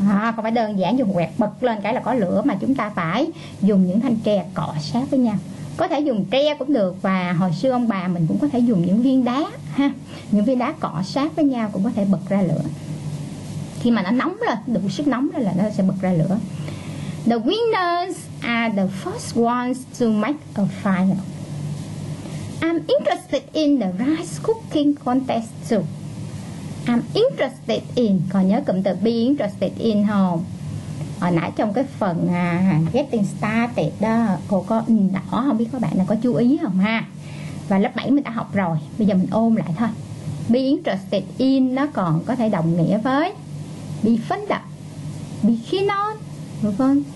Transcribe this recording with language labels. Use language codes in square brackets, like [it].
[vi] À, không phải đơn giản dùng quẹt bật lên cái là có lửa, mà chúng ta phải dùng những thanh tre cọ sát với nhau. Có thể dùng tre cũng được, và hồi xưa ông bà mình cũng có thể dùng những viên đá ha. Những viên đá cọ sát với nhau cũng có thể bật ra lửa. Khi mà nó nóng lên, đủ sức nóng lên là nó sẽ bật ra lửa. [en] The winners are the first ones to make a fire. I'm interested in the rice cooking contest too. I'm interested in. [vi] Còn nhớ cụm từ be interested in không? Hồi nãy trong cái phần getting started đó, cô có đỏ không, biết các bạn nào có chú ý không ha? Và lớp 7 mình đã học rồi, bây giờ mình ôm lại thôi. Be interested in nó còn có thể đồng nghĩa với be fond of, be keen on, đúng không?